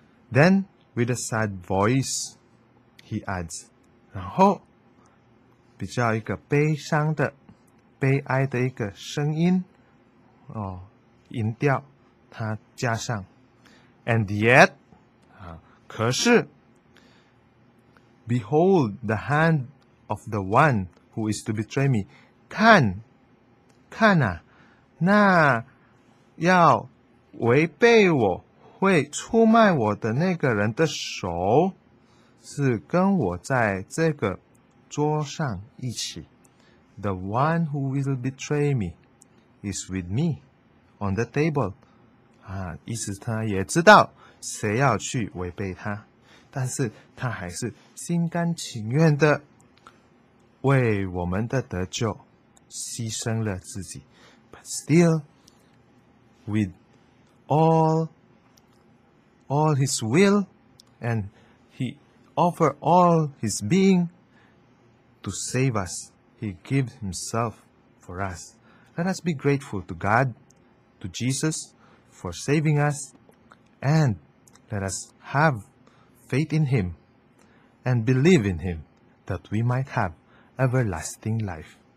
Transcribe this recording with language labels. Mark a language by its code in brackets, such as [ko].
[en] Then, with a sad voice, he adds, [zh] 然后比较一个悲伤的、悲哀的一个声音、哦、音调他加上 [en] And yet, [zh] 可是 [en] Behold the hand of the one who is to betray me. [zh] 看，看啊，那要违背我，会出卖我的那个人的手，是跟我在这个桌上一起。 [en] The one who will betray me is with me on the table. [zh] 啊，意思他也知道谁要去违背他。但是他还是心甘情愿的为我们的得救牺牲了自己。 [en] But still, with all his will, and he offer all his being to save us, he gives himself for us. Let us be grateful to God, to Jesus, for saving us, and let us havefaith in him and believe in him that we might have everlasting life.